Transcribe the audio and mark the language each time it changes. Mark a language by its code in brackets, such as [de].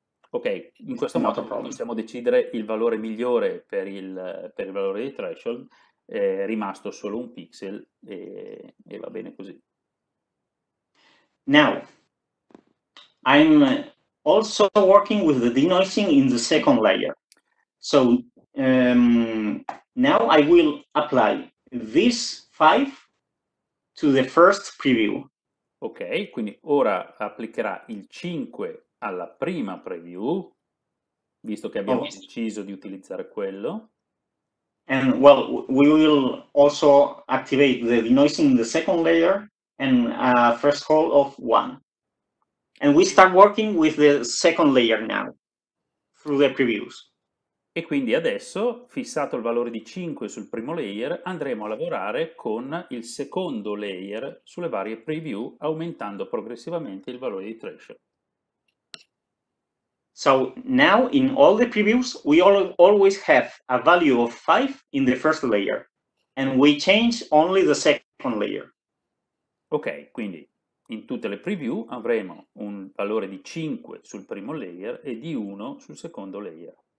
[it] okay, in questo modo possiamo decidere il valore migliore per il valore di threshold, è rimasto solo un pixel e va bene così. [en] Now I'm also working with the denoising in the second layer. So now I will apply this 5 to the first preview. [it] Ok, quindi ora applicherà il 5 alla prima preview, visto che abbiamo deciso di utilizzare quello. [en] And well, we will also activate the denoising in the second layer and a threshold of 1. And we start working with the second layer now, through the previews. [it] E quindi adesso, fissato il valore di 5 sul primo layer, andremo a lavorare con il secondo layer sulle varie preview, aumentando progressivamente il valore di threshold. [en] So now in all the previews, we always have a value of 5 in the first layer, and we change only the second layer. [it] Ok, quindi In tutte le preview avremo un valore di 5 sul primo layer e di 1 sul secondo layer.